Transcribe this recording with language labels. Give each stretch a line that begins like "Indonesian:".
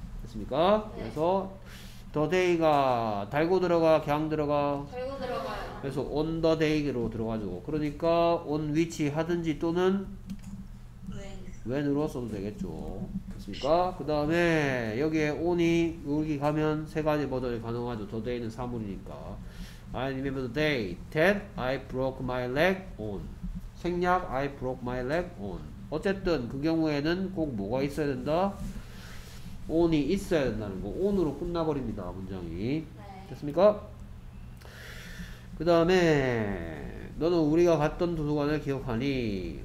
Korean: 됐습니까? 그래서 the day가 달고 들어가, 걍 들어가. 그래서 on the day로 들어가죠. 그러니까 on which 하든지 또는 when으로 써도 되겠죠. 됐습니까? 그 다음에 여기에 on이 여기 가면 세 가지 버전이 가능하죠.
English: the day는
Korean: 사물이니까
English: I remember the day that I broke my leg on.
Korean: 생략
English: I broke my leg on.
Korean: 어쨌든 그 경우에는 꼭 뭐가 있어야 된다? on이 있어야 된다는 거. on으로 끝나버립니다 문장이. 됐습니까? 그 다음에 너는 우리가 갔던 도서관을 기억하니?